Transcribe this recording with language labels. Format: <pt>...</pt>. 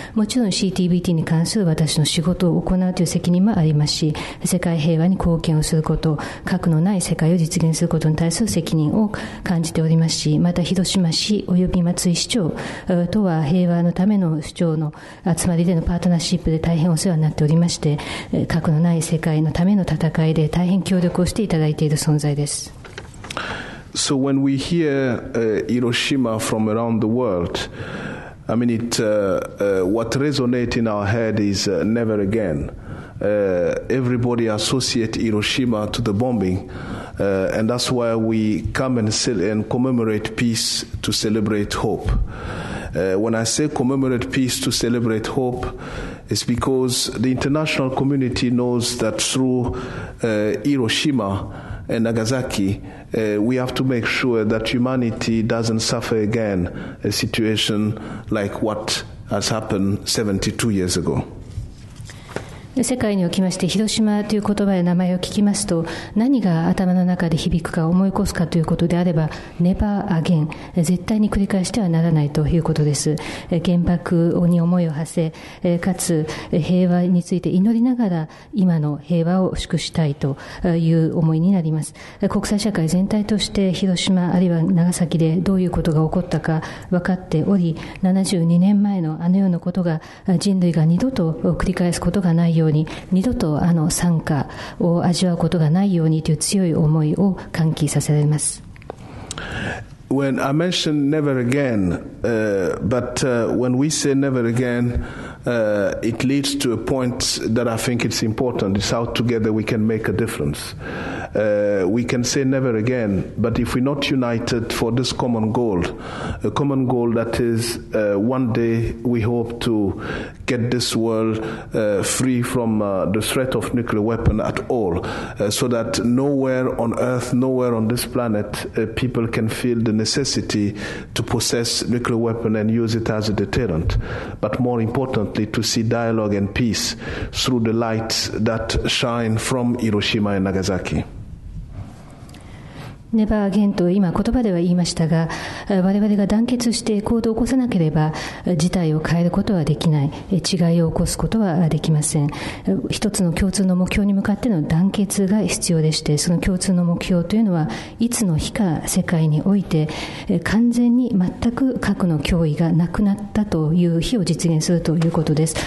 <ja>もちろん CTBT に関する私の仕事を行うという責任もありますし、世界平和に貢献をすること、核のない世界を実現することに対する責任を感じておりますし、また広島市及び松井市長とは平和のための主張の集まりでのパートナーシップで大変お世話になっておりまして、核のない世界のための戦いで大変協力をしていただいている存在です。</ja> <en>So when we hear Hiroshima from around the world, I mean it, what resonates in our head is never again. Everybody associates Hiroshima to the bombing, and that's why we come and commemorate peace to celebrate hope. When I say commemorate peace to celebrate hope, it's because the international community knows that through Hiroshima and Nagasaki, we have to make sure that humanity doesn't suffer again a situation like what has happened 72 years ago.</en> <ja>世界におきまして、広島という言葉や名前を聞きますと、何が頭の中で響くか、思い起こすかということであれば、</ja> <en>Never again、</en> <ja>絶対に繰り返してはならないということです。原爆に思いを馳せ、かつ平和について祈りながら、今の平和を祝したいという思いになります。国際社会全体として、広島あるいは長崎でどういうことが起こったか分かっており、72年前のあのようなことが、人類が二度と繰り返すことがないように、二度とあの惨禍を味わうことがないようにという強い思いを喚起させられます。</ja> <en>When I mentioned never again, but when we say never again, it leads to a point that I think it's important. It's how together we can make a difference. We can say never again, but if we're not united for this common goal, a common goal that is one day we hope to get this world free from the threat of nuclear weapon at all, so that nowhere on earth, nowhere on this planet, people can feel the necessity to possess nuclear weapon and use it as a deterrent. But more importantly, to see dialogue and peace through the lights that shine from Hiroshima and Nagasaki.</en> <ja>ネバーアゲンと今言葉では言いましたが、我々が団結して行動を起こさなければ事態を変えることはできない、違いを起こすことはできません。一つの共通の目標に向かっての団結が必要でして、その共通の目標というのは、いつの日か世界において完全に全く核の脅威がなくなったという日を実現するということです。</ja>